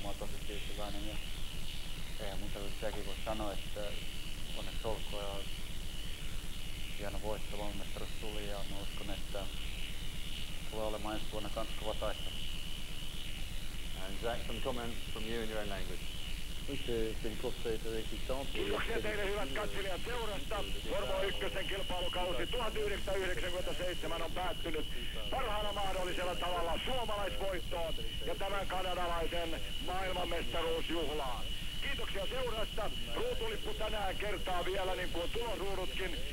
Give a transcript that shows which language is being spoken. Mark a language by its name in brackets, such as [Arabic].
[Finnish] Mä oon tosi tyytyväinen. Ja eihän mun tarvitse sekin voi sanoa, että onneksi olkoon ja hieno voitto valmestarus tuli, ja mä uskon, että tulee olemaan ensi vuonna kans kova taista. [English] And Jack, some comments from you in your own language. [Finnish] Kiitoksia teille hyvät katselijat seurasta. Formula 1 kilpailukausi 1997 on päättynyt parhaalla mahdollisella tavalla suomalaisvoittoon ja tämän kanadalaisen maailmanmestaruusjuhlaan. Kiitoksia seurasta. Ruutulippu tänään kertaa vielä, niin kuin tuloruudutkin.